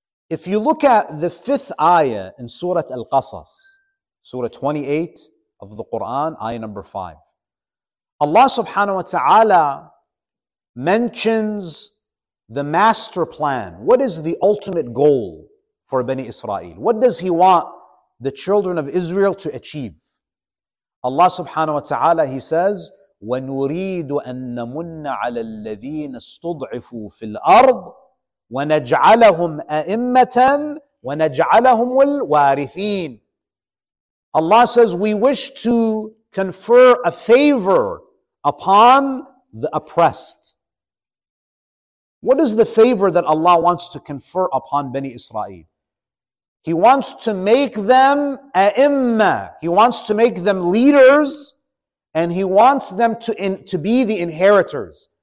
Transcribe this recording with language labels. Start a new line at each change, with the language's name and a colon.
English: If you look at the fifth ayah in Surah Al-Qasas, Surah 28, of the Quran, ayah number 5. Allah subhanahu wa ta'ala mentions the master plan. What is the ultimate goal for Bani Israel? What does He want the children of Israel to achieve? Allah subhanahu wa ta'ala, He says,
Arabic: وَنُرِيدُ أَنَّ مُنَّ عَلَى الَّذِينَ اسْتُضْعِفُوا فِي الْأَرْضِ وَنَجْعَلَهُمْ أَئِمَّةً وَنَجْعَلَهُمُ الْوَارِثِينَ.
English: Allah says, we wish to confer a favor upon the oppressed. What is the favor that Allah wants to confer upon Bani Israel? He wants to make them a'immah. He wants to make them leaders, and He wants them to be the inheritors.